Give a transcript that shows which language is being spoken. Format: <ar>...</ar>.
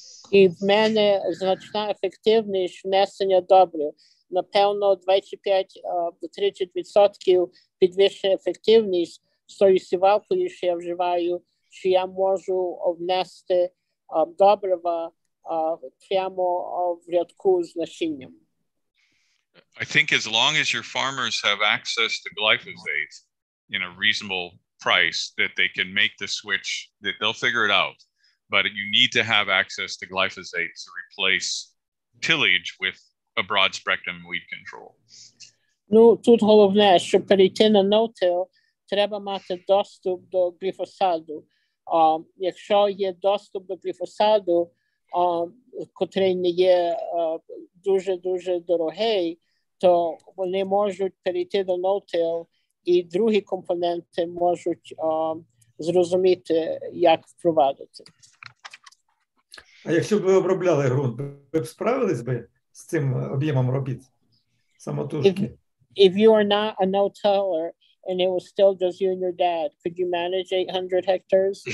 <uk>І в мене значна ефективність внесення добрив. Напевно, 25-30% підвищення ефективність з тою сівалкою, що я вживаю, що я можу внести добрива прямо в рядку з насінням.</uk> <en>I think as long as your farmers have access to glyphosate, in a reasonable price, that they can make the switch, that they'll figure it out. But you need to have access to glyphosate to replace tillage with a broad spectrum weed control.</en> <uk>Ну, тут головне, щоб перейти на no-till, треба мати доступ до гліфосаду. Якщо є доступ до гліфосаду, котрий не є дуже-дуже дорогий, то вони можуть перейти до no-till, і другі компоненти можуть зрозуміти, як впровадити. А якщо б ви обробляли ґрунт, ви б справились би з цим об'ємом робіт самотужки?</uk> <en>If you are not a no-tiller and it was still just you and your dad, could you manage 800 hectares?</en>